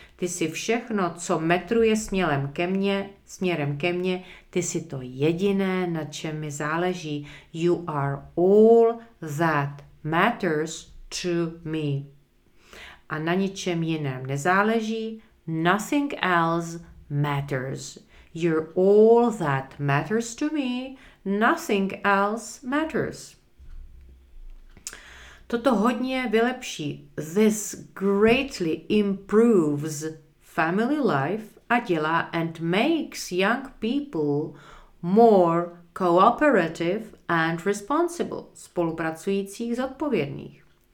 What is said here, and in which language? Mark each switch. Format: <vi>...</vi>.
<cs>Ty si všechno, co metruje směrem ke mně, ty si to jediné, na čem mi záleží.</cs> <en>You are all that matters to me.</en> <cs>A na ničem jiném nezáleží.</cs> <en>Nothing else matters. You're all that matters to me, nothing else matters.</en> <cs>Toto hodně vylepší.</cs> <en>This greatly improves family life</en> <cs>a dělá</cs> <en>and makes young people more cooperative and responsible,</en> <cs>spolupracujících zodpovědných.</cs>